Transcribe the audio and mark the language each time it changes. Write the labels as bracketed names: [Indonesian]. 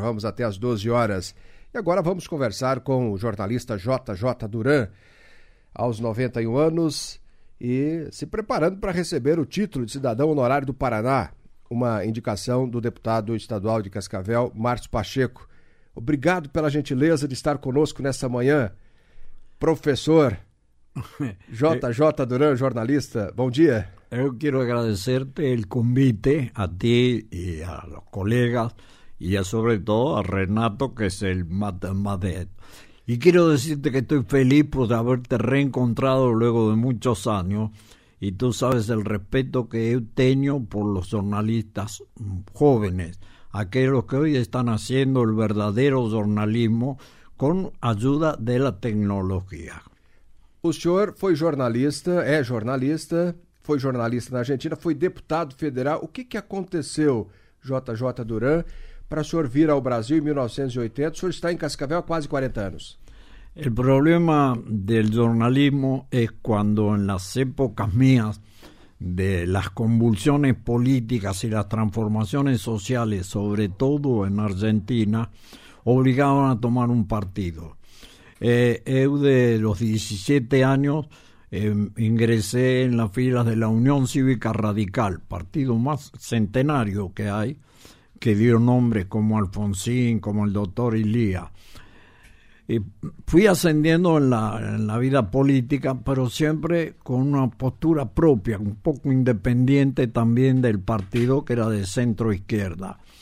[Portuguese] Vamos até às 12 horas. E agora vamos conversar com o jornalista JJ Duran, aos 91 anos e se preparando para receber o título de cidadão honorário do Paraná, uma indicação do deputado estadual de Cascavel, Márcio Pacheco. Obrigado pela gentileza de estar conosco nessa manhã. Professor JJ Duran, jornalista, bom dia. [Spanish] Eu quero agradecerte el convite a ti y a los colegas y a sobre todo a Renato, que es el más de esto. Y quiero decirte que estoy feliz por haberte reencontrado luego de muchos años, y tú sabes el respeto que yo tengo por los jornalistas jóvenes, aquellos que hoy están haciendo el verdadero jornalismo con ayuda de la tecnología. [Portuguese] O senhor foi jornalista, é jornalista, foi jornalista na Argentina, foi deputado federal. O que que aconteceu, JJ Duran, para o senhor vir ao Brasil em 1980? O senhor está em Cascavel há quase 40 anos. O problema do jornalismo é quando, nas épocas minhas, de las convulsões políticas e las transformações sociais, sobretudo em Argentina, [Spanish] obligaban a tomar un partido. Yo de los 17 años ingresé en las filas de la Unión Cívica Radical, partido más centenario que hay, que dio nombres como Alfonsín, como el doctor Illia. Y fui ascendiendo en la vida política, pero siempre con una postura propia, un poco independiente también del partido, que era de centro-izquierda.